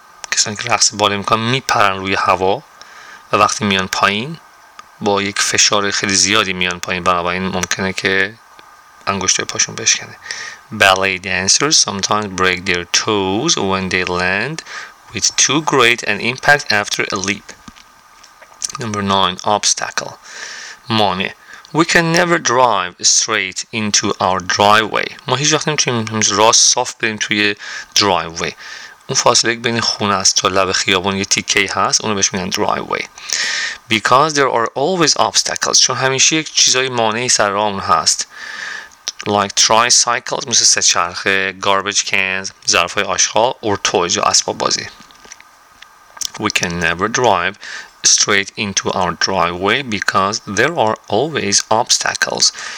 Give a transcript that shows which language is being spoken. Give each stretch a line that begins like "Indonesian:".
Persian: کسانی که رقص باله میکنن میپرن روی هوا و وقتی میان پایین با یک فشار خیلی زیادی میان پایین بنابراین ممکنه که انگشت های پاشون بشکنه
English: Ballet dancers sometimes break their toes when they land with too great an impact after a leap. Number 9. Obstacle. Mane. We can never drive straight into our driveway.
Persian: ما هیچ وقت نمیتونیم راست صاف بریم توی driveway. اون فاصله که بین خونه است تا لب خیابون یه تیکه هست اونو بهش میگن driveway.
English: Because there are always obstacles.
Persian: چون همیشه یک چیزای مانعی سر راهمون هست.
English: Like tricycles,
Persian: مثل سه چرخه,
English: garbage cans,
Persian: ظرف‌های آشغال,
English: or toys,
Persian: یا اسباب بازی.
English: We can never drive straight into our driveway because there are always obstacles.